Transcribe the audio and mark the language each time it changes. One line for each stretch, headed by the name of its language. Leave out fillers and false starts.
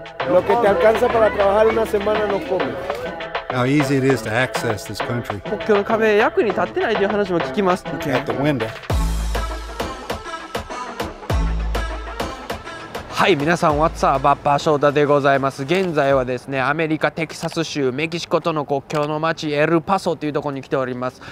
Spanish: Lo que te alcanza para trabajar una semana no come.
English: How easy it is to access this country.
Japanese: 国境の壁役に立ってないという話も聞きます。
English: Looking at the window.
Japanese: はい、皆さん、
English: What's up?
Japanese: Bappa Shotaでございます。現在はですね、アメリカ・テキサス州メキシコとの国境の町エルパソというところに来ております。